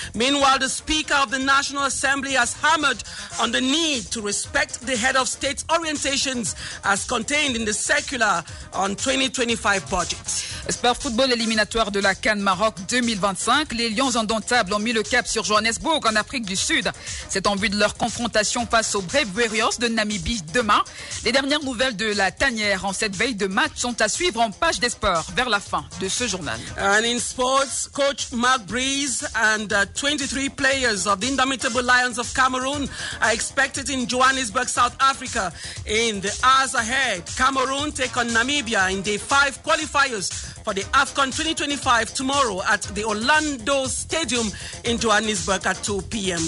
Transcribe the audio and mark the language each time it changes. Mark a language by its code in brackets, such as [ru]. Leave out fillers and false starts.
[en] Meanwhile, the Speaker of the National Assembly has hammered on the need to respect the head of state's orientations as contained in the circular on 2025 budget. [fr] Sport football éliminatoire de la CAN Maroc 2025, les Lions indomptables ont mis le cap sur Johannesburg en Afrique du Sud. C'est en vue de leur confrontation face aux Brave Warriors de Namibie demain. Les dernières nouvelles de la tanière en cette veille de match sont à suivre en page des sports vers la fin de ce journal. [en] And in sports, coach Mark Breeze and 23 players of the Indomitable Lions of Cameroon are expected in Johannesburg, South Africa. In the hours ahead, Cameroon take on Namibia in day 5 qualifiers for the AFCON 2025 tomorrow at the Orlando Stadium in Johannesburg at 2 p.m.